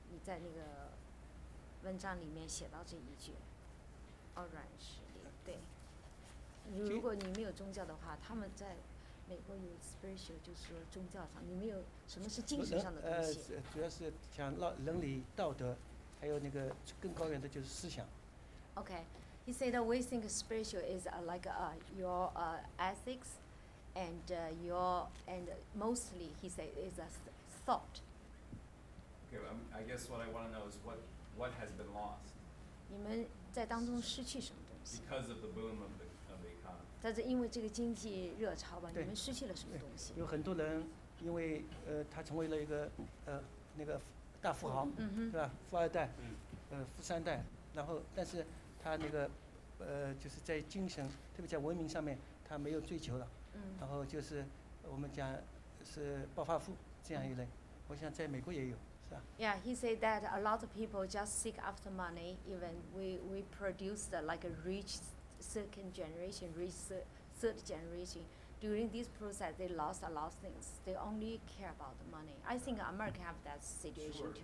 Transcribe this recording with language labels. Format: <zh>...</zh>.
<zh>你在那个文章里面写到这一句，哦，软实力，对。如果你没有宗教的话，他们在。美国有 spiritual， 就是说宗教上，你们有什么是精神上的东西？主要是讲伦理道德，还有那个更高远的就是思想。</zh> <en>Okay, he said we think spiritual is like your ethics and your and mostly he said is a thought. Okay, I guess what I want to know is what has been lost.</en> <zh>你们在当中失去什么东西</zh> <en>？Because of the boom of the economy.</en> <zh>但是因为这个经济热潮吧，你们失去了什么东西？有很多人因为他成为了一个那个大富豪，是吧？富二代，富三代，然后但是他那个就是在精神，特别在文明上面，他没有追求了。然后就是我们讲是暴发户这样一类，我想在美国也有。</zh> <en>Yeah, he said that a lot of people just seek after money. Even we produce like a rich second generation, rich third generation. During this process, they lost a lot of things. They only care about the money. I think America have that situation too.</en>